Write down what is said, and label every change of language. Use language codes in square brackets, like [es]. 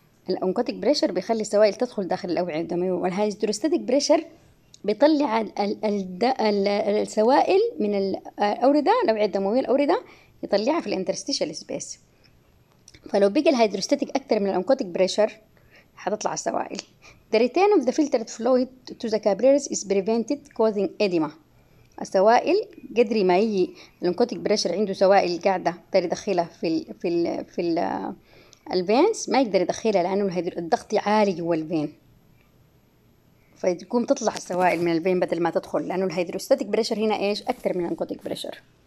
[ar] الانكوتيك بريشر بيخلي السوائل تدخل داخل الاوعيه الدمويه، والهيدروستاتيك بريشر بيطلع السوائل من الاورده الاوعيه الدمويه، الاورده يطلعها في الانترستيشال سبيس. فلو بقى الهيدروستاتيك اكثر من الانكوتيك بريشر هتطلع السوائل. [en] The return of the filtered fluid to the capillaries is prevented causing edema. [ar] السوائل قدر ما يجي الانكوتيك بريشر عنده سوائل قاعده تقدر يدخلها في الـ في الـ في الـ الفينس ما يقدر يدخلها لانه الضغط عالي جوا الفين، فتقوم تطلع السوائل من الفين بدل ما تدخل، لانه الهيدروستاتيك بريشر هنا ايش اكثر من الانكوتيك بريشر.